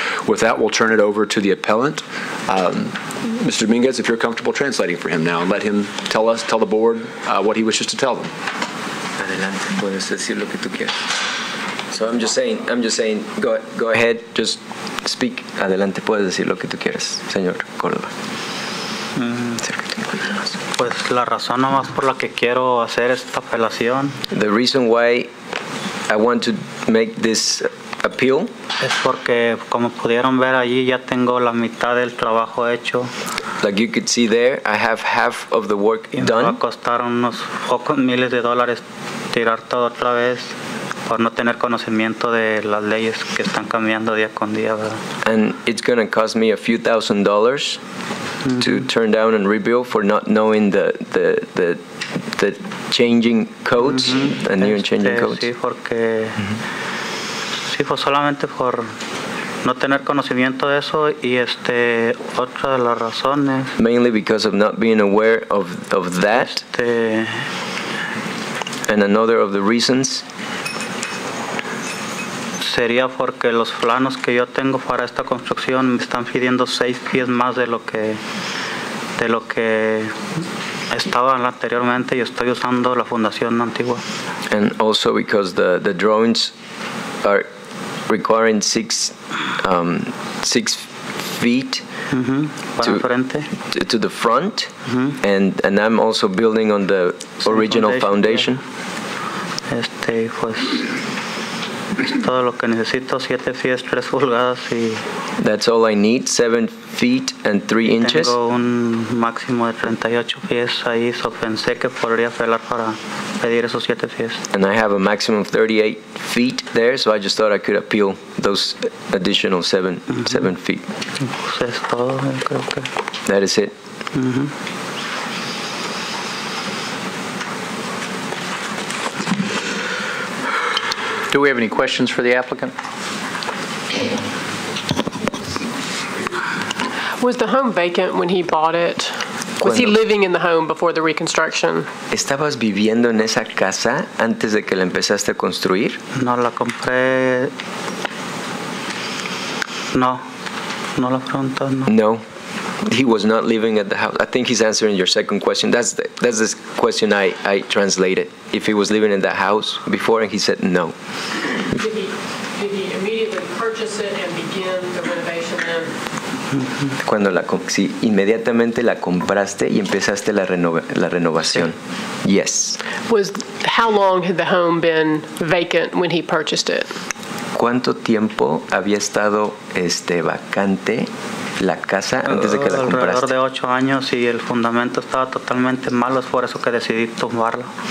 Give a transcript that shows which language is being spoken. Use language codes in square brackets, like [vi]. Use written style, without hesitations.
[en] With that, we'll turn it over to the appellant. Mr. Dominguez, if you're comfortable translating for him now, and let him tell the board what he wishes to tell them. [es] Adelante, puedes decir lo que tú quieras. [en] So I'm just saying, go ahead, just speak. [es] Adelante, puedes decir lo que tú quieras, señor Córdoba. Pues la razón nomás por la que quiero hacer esta apelación. [en] The reason why I want to make this appeal. [es] Es porque, como pudieron ver allí, ya tengo la mitad del trabajo hecho. [en] Like you could see there, I have half of the work done. [es] Y me va a costar unos pocos miles de dólares tirar todo otra vez. Por no tener conocimiento de las leyes que están cambiando día con día, ¿verdad? [en] And it's going to cost me a few thousand dollars to turn down and rebuild for not knowing the changing codes, the new and changing codes. [es] Sí, porque sí, pues solamente por no tener conocimiento de eso y otra de las razones. [en] Mainly because of not being aware of that. And another of the reasons. [es] sería porque los planos que yo tengo para esta construcción me están pidiendo 6 pies más de lo que estaba anteriormente y estoy usando la fundación antigua. [en] And also because the drawings are requiring six feet mm-hmm. to the front, mm-hmm. and I'm also building on the same original foundation. Yeah. [es] Pues, es todo lo que necesito, 7 pies, 3 pulgadas y [en] that's all I need, 7 feet and 3 inches. [es] Tengo un máximo de 38 pies ahí, so pensé que podría apelar para pedir esos 7 pies. [en] And I have a maximum of 38 feet there, so I just thought I could appeal those additional seven feet. [es] Pues es todo, creo que [en] that is it. Mm-hmm. Do we have any questions for the applicant? Was the home vacant when he bought it? Was he living in the home before the reconstruction? [es] ¿Estabas viviendo en esa casa antes de que la empezaste a construir? No la compré. No. No la pregunté, no. [en] No. He was not living at the house. I think he's answering your second question. That's the question I translated. If he was living in that house before, and he said no. Did he immediately purchase it and begin the renovation then? [es] Cuando la si inmediatamente la compraste y empezaste la renovación. [en] Yes. Was how long had the home been vacant when he purchased it? [es] ¿Cuánto tiempo había estado vacante la casa antes de que la compraste? Alrededor de 8 años y el fundamento estaba totalmente malo, es por eso que decidí tumbarlo.